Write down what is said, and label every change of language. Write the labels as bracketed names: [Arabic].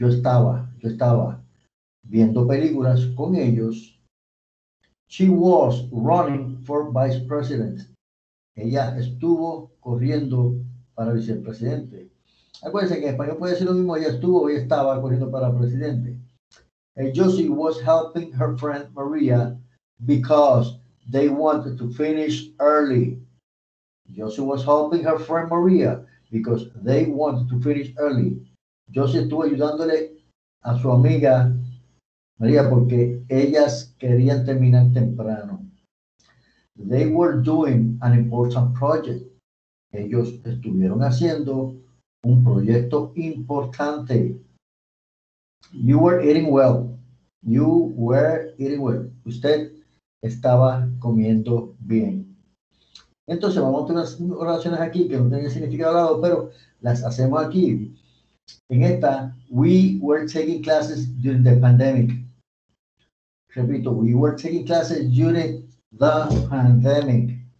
[Spanish] Yo estaba viendo películas con ellos. [English] She was running for vice president. [Spanish] Ella estuvo corriendo para vicepresidente. Acuérdense que en español puede ser lo mismo. Ella estuvo y estaba corriendo para presidente. [English] And Josie was helping her friend Maria because they wanted to finish early. Josie was helping her friend Maria because they wanted to finish early. [Spanish] Josie estuvo ayudándole a su amiga María, porque ellas querían terminar temprano. [English] They were doing an important project. [Spanish] Ellos estuvieron haciendo un proyecto importante. [English] You were eating well. You were eating well. [Spanish] Usted estaba comiendo bien. Entonces, vamos a tener unas oraciones aquí que no tienen significado hablado, pero las hacemos aquí. En esta, [English] we were taking classes during the pandemic. [Spanish] Repito, [English] we were taking classes during the pandemic.